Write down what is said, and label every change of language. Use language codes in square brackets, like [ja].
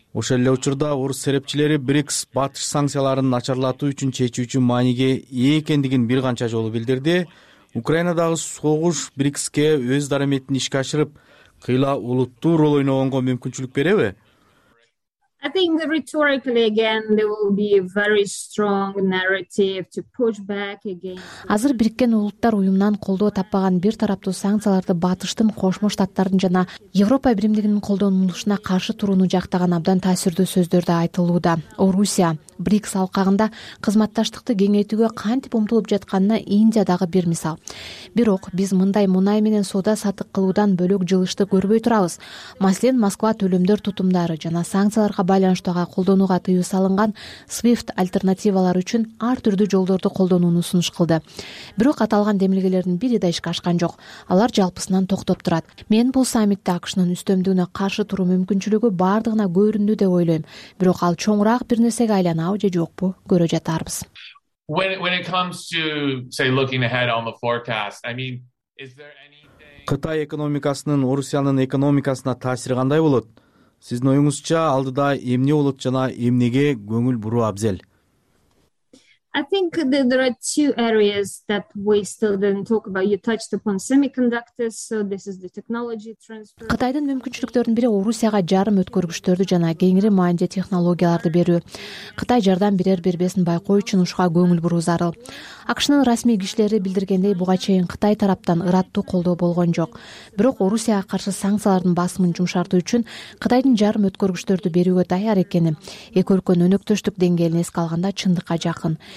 [ky] Ошол эле учурда орус серепчилери BRICS батыш санкцияларын начарлатуу үчүн чечүүчү мааниге ээ экендигин бир канча жолу билдирди. Украинадагы согуш BRICS-ке өз дараметин ишке ашырып, кыйла улуттуу рол ойногонго мүмкүнчүлүк береби? [en] I think rhetorically again there will be a very strong narrative to push back again. [ky] Азыр Бириккен Улуттар Уюмунан колдоо таппаган бир тараптуу санкцияларды Батыштын Кошмо Штаттардын жана Европа Биримдигинин колдонулушуна каршы турууну жактаган абдан таасирдүү сөздөр да айтылууда. Орусия BRICS алкагында кызматташтыкты кеңейтүүгө кантип умтулуп жатканына Индия дагы бир мисал. Бирок биз мындай мунай менен соода сатык кылуудан бөлөк жылышты көрбөй турабыз. Маселен, Москва төлөмдөр тутумдары жана санкциялар байланыштага колдонууга тыюу салынган SWIFT альтернативалары үчүн ар түрдүү жолдорду колдонууну сунуш кылды. Бирок аталган демилгелердин бири да ишке ашкан жок. Алар жалпысынан токтоп турат. Мен бул саммитте АКШнын үстөмдүгүнө каршы туруу мүмкүнчүлүгү бардыгына көрүндү деп ойлойм. Бирок ал чоңураак бир нерсеге айланабы же жокпу көрө жатарбыз. [en] When it comes to say looking ahead on the forecast, is there anything [ky] Кытай экономикасынын Орусиянын экономикасына таасири кандай болот? Сиздин оюңузча алдыда эмне болот жана эмнеге көңүл буруу абзел? [en] I think that there are two areas that we still didn't talk about. You touched upon semiconductors, so this is the technology transfer. [ky] Кытайдын мүмкүнчүлүктөрүнүн бири Орусияга жарым өткөргүчтөрдү жана кеңири маанилде технологияларды берүү. Кытай жардам берер бербесин байкоо үчүн ушуга көңүл буруу зарыл. АКШнын расмий кишилери билдиргендей, буга чейин Кытай тараптан ыраттуу колдоо болгон жок. Бирок Орусияга каршы санкциялардын басымын жумшартуу үчүн Кытайдын жарым өткөргүчтөрдү берүүгө даяр экени эки өлкөнүн өнөктөштүк деңгээлин эске алганда чындыкка жакын.